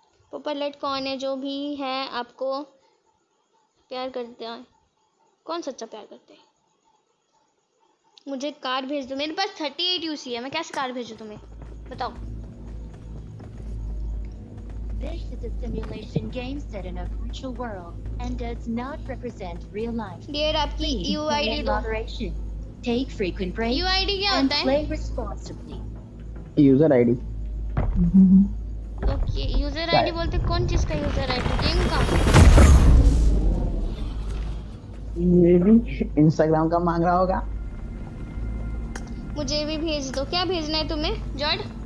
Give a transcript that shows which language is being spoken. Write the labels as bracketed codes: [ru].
[hi] पोपलेट कौन है? जो भी है आपको प्यार करते हैं, कौन सच्चा प्यार करते हैं? मुझे कार भेज दो, मेरे पास 38 यूसी है, मैं कैसे कार भेजूं तुम्हें बताओ? [en] This is a simulation game set in a virtual world and does not represent real life. [hi] Dear, आपकी UID दो। [en] Take frequent breaks. [hi] UID क्या होता है? [en] And play responsibly. User ID. [hi] Okay, user ID बोलते कौन चीज का user ID? Game का? Maybe Instagram का मांग रहा होगा। मुझे भी भेज दो, क्या भेजना है तुम्हें जॉर्ड?